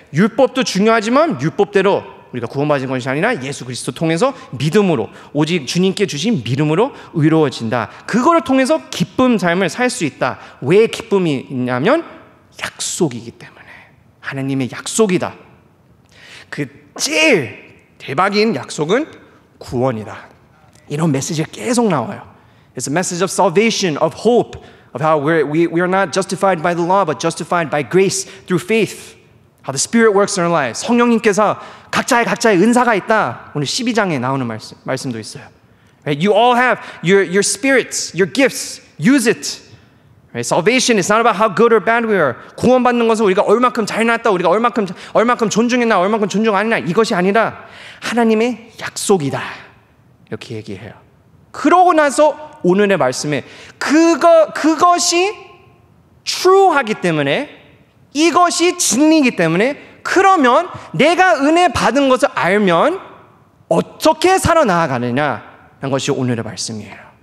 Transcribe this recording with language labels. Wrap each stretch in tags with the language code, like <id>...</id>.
<ko>율법도 중요하지만 율법대로 우리가 구원받은 것이 아니라 예수 그리스도 통해서 믿음으로, 오직 주님께 주신 믿음으로 의로워진다. 그거를 통해서 기쁨 삶을 살 수 있다. 왜 기쁨이 있냐면 약속이기 때문에. 하나님의 약속이다. 그 제일 대박인 약속은 구원이다. 이런 메시지가 계속 나와요.</ko> <en>It's a message of salvation, of hope, of how we are not justified by the law, but justified by grace through faith. How the Spirit works in our lives.</en> <ko>성령님께서 각자의 은사가 있다. 오늘 12장에 나오는 말씀도 있어요. Right?</ko> <en>You all have your spirits, your gifts. Use it. Right? Salvation is not about how good or bad we are.</en> <ko>구원받는 것은 우리가 얼만큼 잘 났다, 우리가 얼만큼 존중했나, 얼만큼 존중 안 했나 이것이 아니라 하나님의 약속이다. 이렇게 얘기해요. 그러고 나서 오늘의 말씀에 그것이 true하기 때문에 이것이 진리이기 때문에 그러면 내가 은혜 받은 것을 알면 어떻게 살아나아가느냐라는 것이 오늘의 말씀이에요.</ko>